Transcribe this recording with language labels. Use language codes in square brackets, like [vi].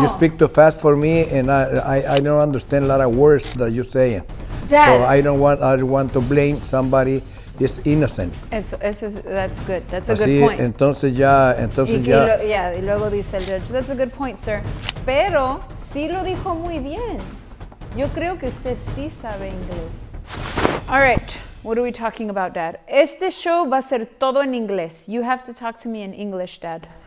[en] You speak too fast for me, and I don't understand a lot of words that you're saying. Dad. So I don't want to blame somebody. It's innocent. [es] Eso es, [en] that's good. That's a [es] Así, [en] good point. [es] Entonces ya. Y luego dice el judge, [en] that's a good point, sir. [es] Pero sí lo dijo muy bien. Yo creo que usted sí sabe inglés. [en] All right. What are we talking about, Dad? [es] Este show va a ser todo en inglés. [en] You have to talk to me in English, Dad.